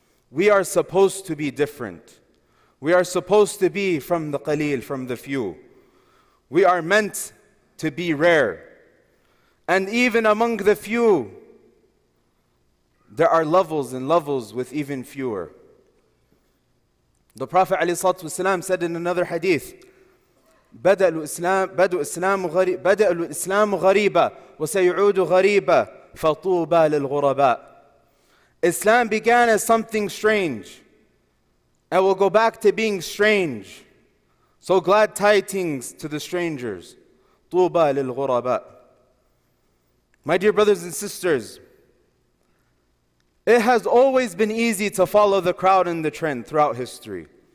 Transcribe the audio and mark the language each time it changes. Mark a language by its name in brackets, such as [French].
[English] We are supposed to be different. We are supposed to be from the qaleel, from the few. We are meant to be rare. And even among the few, there are levels and levels with even fewer. The Prophet ﷺ said in another hadith, [Arabic] بَدَأُ الْإِسْلَامُ غَرِيبًا وَسَيُعُودُ غَرِيبًا فَطُوبَى لِلْغُرَبَاءِ. [English] Islam began as something strange and will go back to being strange. So glad tidings to the strangers. [Arabic] طُوبَى لِلْغُرَبَاءِ. [English] My dear brothers and sisters, it has always been easy to follow the crowd and the trend throughout history.